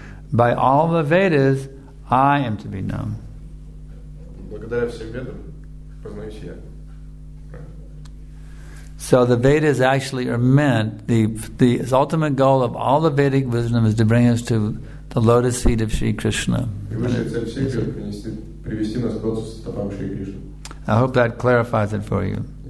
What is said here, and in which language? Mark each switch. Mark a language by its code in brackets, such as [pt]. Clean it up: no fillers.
[en] By all the Vedas, I am to be known. [ru] Благодаря всем Ведам, познаюсь я. [en] So the Vedas actually are meant, the ultimate goal of all the Vedic wisdom is to bring us to the lotus feet of Sri Krishna. I hope that clarifies it for you.